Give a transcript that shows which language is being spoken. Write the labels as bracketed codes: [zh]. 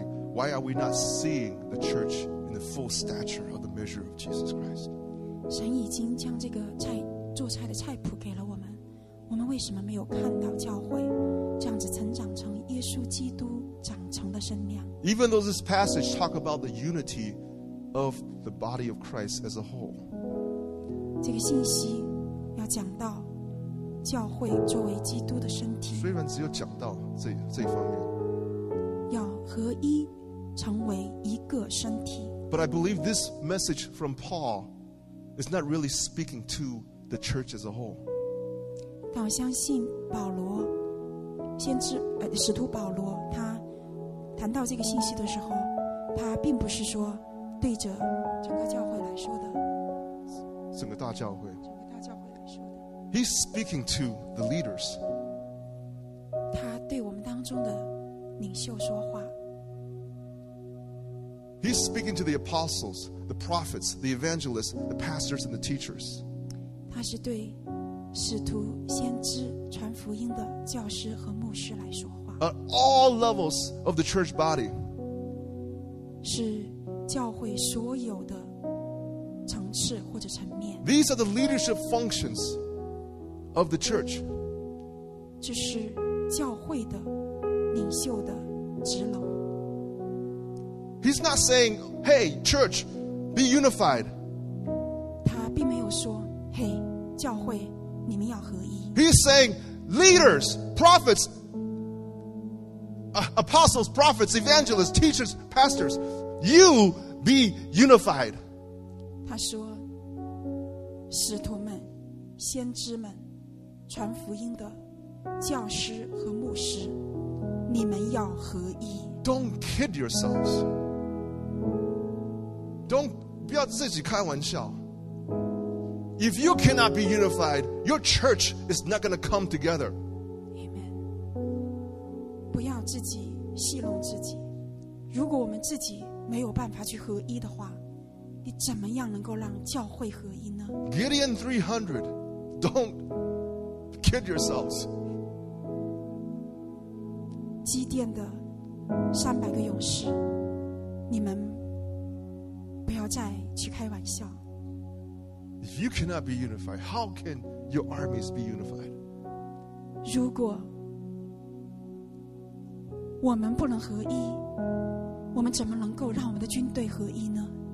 [en] Why are we not seeing the church in the full stature of the measure of Jesus Christ? [zh] 神已经将这个菜做菜的菜谱给了我们，我们为什么没有看到教会这样子成长成耶稣基督长成的身量？ [en] Even though this passage talks about the unity of the body of Christ as a whole, [zh] 这个信息要讲到教会作为基督的身体，虽然只有讲到这一方面。合一成为一个身体。 [en] But I believe this message from Paul is not really speaking to the church as a whole. [zh] 但我相信保罗，先知，使徒保罗，他谈到这个信息的时候，他并不是说对着整个教会来说的。整个大教会。整个大教会来说的。 [en] He's speaking to the leaders. [zh] 他对我们当中的领袖说话。 [en] He's speaking to the apostles, the prophets, the evangelists, the pastors, and the teachers. [zh] 他是对使徒、先知、传福音的教师和牧师来说话。 [en] At all levels of the church body. [zh] 是教会所有的层次或者层面。 [en] These are the leadership functions of the church. [zh] 这是教会的领袖的职能。 [en] He's not saying, "Hey, church, be unified." [zh] 他并没有说，嘿，教会，你们要合一。 [en] He's saying, "Leaders, prophets, apostles, prophets, evangelists, teachers, pastors, you be unified." [zh] 他说，使徒们、先知们、传福音的教师和牧师，你们要合一。 [en] Don't kid yourselves. [zh] 不要自己开玩笑。 [en] If you cannot be unified, your church is not going to come together. [zh] Amen. 不要自己戏弄自己。如果我们自己没有办法去合一的话，你怎么样能够让教会合一呢？ [en] Gideon 300, don't kid yourselves. [zh] 基甸的三百个勇士，你们。 [en] If you cannot be unified, how can your armies be unified? [zh] 如果我们不能合一，我们怎么能够让我们的军队合一呢？